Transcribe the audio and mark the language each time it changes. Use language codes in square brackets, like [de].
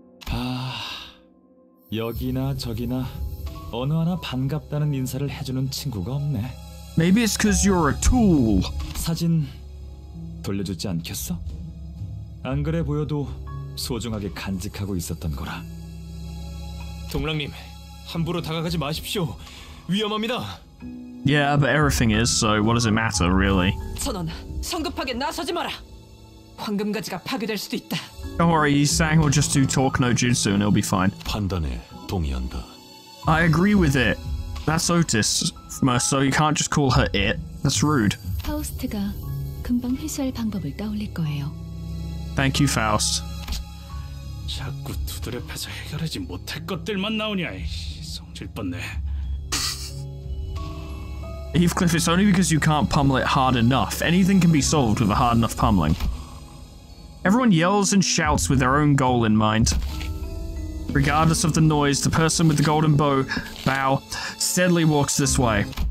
[ko] 아, 여기나 저기나 어느 하나 반갑다는 인사를 해주는 친구가 없네. [en] Maybe it's because you're a tool. [ko] 사진 돌려주지 않겠어? 안 그래 보여도 소중하게 간직하고 있었던 거라. 동랑님. 함부로 다가가지 마십시오. 위험합니다. [en] Yeah, but everything is, so what does it matter, really? [ko] 선원, 성급하게 나서지 마라. 황금 가지가 파괴될 수도 있다. [en] Don't worry, Yisang will just do talk no jutsu and it'll be fine. [ko] 판단에 동의한다. [en] I agree with it. That's Otis, so you can't just call her it. That's rude. [ko] 파우스트가 금방 회수할 방법을 떠올릴 거예요. [en] Thank you, Faust. [ko] 자꾸 두드려 패서 해결하지 못할 것들만 나오냐. 성질 뻗네. [en] Heathcliff, it's only because you can't pummel it hard enough. Anything can be solved with a hard enough pummeling. Everyone yells and shouts with their own goal in mind. Regardless of the noise, the person with the golden bow, Bao, steadily walks this way.